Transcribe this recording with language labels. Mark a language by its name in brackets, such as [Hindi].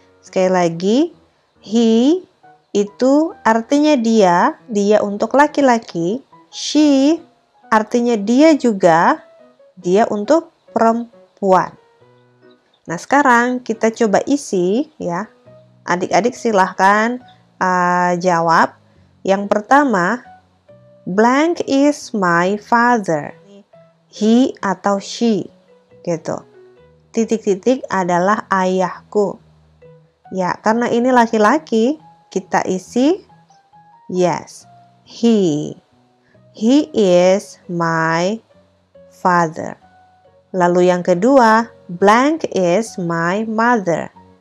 [Indonesian] Sekali lagi, he itu artinya dia, dia untuk laki-laki. She artinya dia juga, dia untuk perempuan. Nah, sekarang kita coba isi ya. Adik-adik silahkan jawab. Yang pertama, [English] blank is my father. [Indonesian] He atau she, gitu. Titik-titik adalah ayahku. Ya, karena ini laki-laki, kita isi yes, he. [English] He is my father. [Indonesian] Lalu yang kedua, [English] blank is my mother.